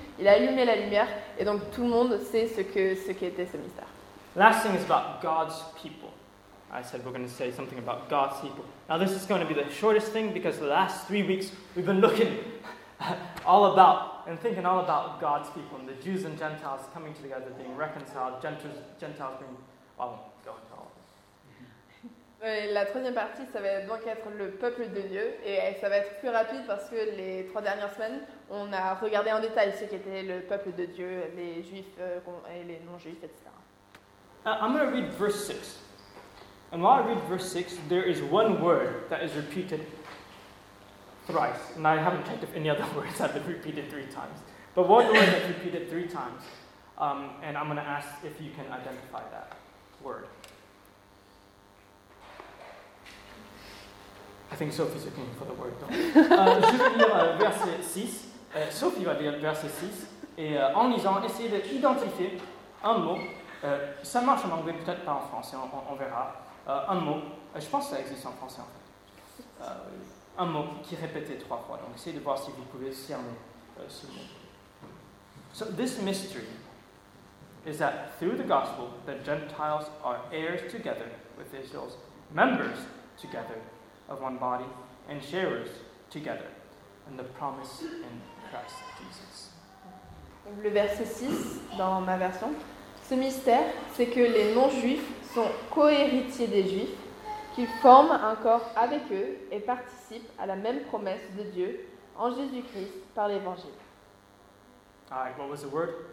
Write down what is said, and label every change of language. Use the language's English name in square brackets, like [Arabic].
[French] Il a allumé la lumière, et donc tout le monde sait ce qu'était ce mystère. [English] Last thing is about God's people. I said we're going to say something about God's people. Now this is going to be the shortest thing because the last 3 weeks we've been looking all about and thinking all about God's people and the Jews and Gentiles coming together, being reconciled, Gentiles being. Well, go on. [French] La troisième partie, ça va donc être le peuple de Dieu, et ça va être plus rapide parce que les trois dernières semaines, on a regardé en détail ce qu'était le peuple de Dieu, les juifs et les non-juifs, etc. [English] I'm going to read verse 6. And while I read verse 6, there is one word that is repeated thrice. And I haven't checked if any other words have been repeated three times. But one word that's repeated three times, and I'm going to ask if you can identify that word. I think Sophie's looking for the word, don't you? [French] Je vais lire verset 6. Sophie va lire verset 6. Et en lisant, essayez d'identifier un mot. Ça marche en anglais, peut-être pas en français, on verra. Un mot, je pense que ça existe en français en fait. Un mot qui est répété trois fois. Donc essayez de voir si vous pouvez cerner ce mot. [English] So this mystery is that through the gospel, the Gentiles are heirs together with Israel's members together of one body and sharers together and the promise in Christ Jesus. [French] Le verset 6 dans ma version, ce mystère, c'est que les non-juifs sont co-héritiers des juifs, qu'ils forment un corps avec eux et participent à la même promesse de Dieu en Jésus-Christ par l'Évangile. [English] All right, what was the word?